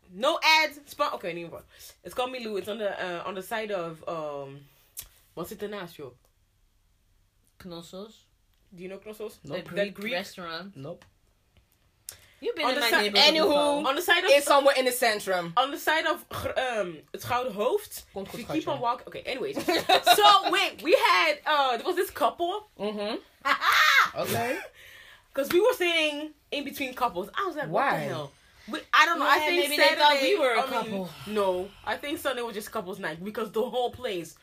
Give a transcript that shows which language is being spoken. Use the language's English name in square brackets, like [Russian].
[English] No ad. Okay, anymore. It's called Milou. It's on the side of what's it [Dutch] ernaast, [English] yo? Knossos. Do you know Knossos? Nope. The Greek restaurant. Nope. You've been on in the my neighborhood. Anywho, before. On the side of it's somewhere in the centrum. On the side of het Gouden Hoofd. [Dutch] Komt goed, [English] if you keep on walking. Okay. Anyways, so wait, we had there was this couple. Mm-hmm. Okay. Because we were sitting in between couples. I was like, why? What the hell? I don't know. Yeah, I think maybe Saturday, they thought we were a couple. No, I think Sunday was just couples night because the whole place